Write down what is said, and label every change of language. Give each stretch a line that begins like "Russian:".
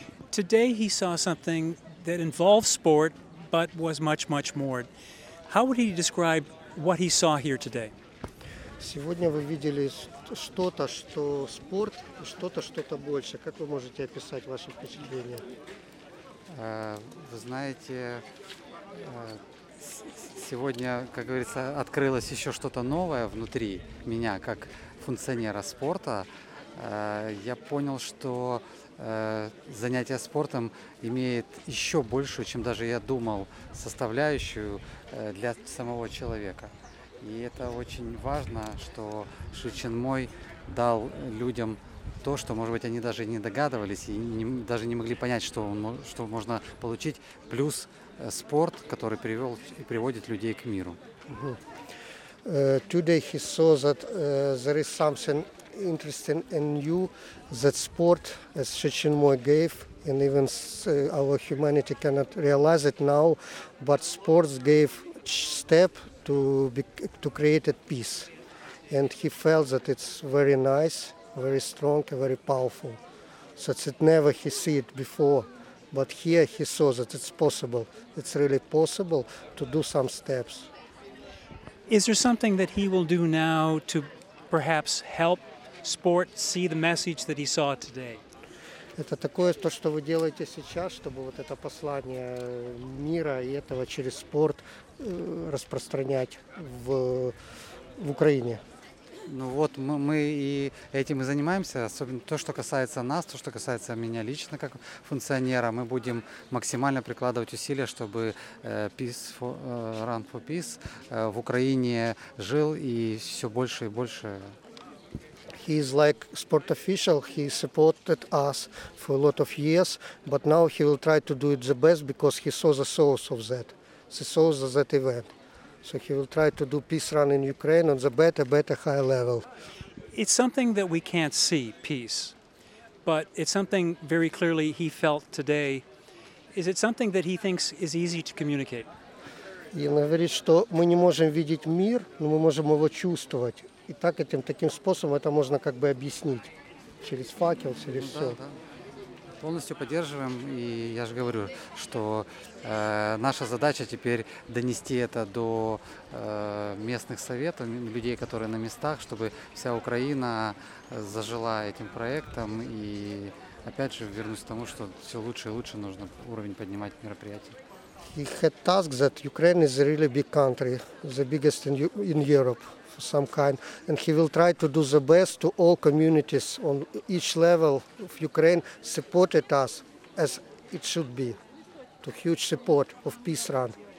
English: Today he saw something that involved sport but was much, much more. How would he describe what he saw here today?
Russian: Сегодня вы видели что-то, что спорт, и что-то больше. Как вы можете описать ваши впечатления? Вы знаете, сегодня, как говорится, открылось еще что-то новое внутри меня, как функционера спорта. Я понял, что занятие спортом имеет еще большую, чем даже я думал, составляющую для самого человека. И это очень важно, что Ши Чин Мой дал людям то, что, может быть, они даже не догадывались и даже не могли понять, что можно получить, плюс спорт, который привел и приводит людей к миру.
English: Today he saw that there is something interesting and new that sport, as Ши Чин Мой gave, and even our humanity cannot realize it now, but sports gave step to create peace, and he felt that it's very nice, very strong, very powerful. So it never he see it before, but here he saw that it's possible. It's really possible to do some steps. Is there something that he will do now to perhaps help sport see the message that he saw today?
Russian: Это такое то, что вы делаете сейчас, чтобы вот это послание мира и этого через спорт распространять в Украине. Ну вот мы и этим и занимаемся, особенно то, что касается нас, то, что касается меня лично как функционера, мы будем максимально прикладывать усилия, чтобы Run for Peace в Украине жил и все больше и больше.
English: He is like sport official, he supported us for a lot of years, but now he will try to do it the best because he saw the source of that. The source of that event. So he will try to do peace run in Ukraine on the better, higher level. It's something that we can't see, peace. But it's something very clearly he felt today. Is it something that he thinks is easy to communicate?
Russian: Он говорит, что мы не можем видеть мир, но мы можем его чувствовать. И так таким способом это можно как бы объяснить через факел, через все. Полностью поддерживаем, и я же говорю, что наша задача теперь донести это до местных советов, людей, которые на местах, чтобы вся Украина зажила этим проектом. И опять же вернусь к тому, что все лучше и лучше нужно уровень поднимать мероприятий.
English: He had task that Ukraine is a really big country, the biggest in Europe. Some kind, and he will try to do the best to all communities on each level of Ukraine supported us as it should be. To huge support of Peace Run.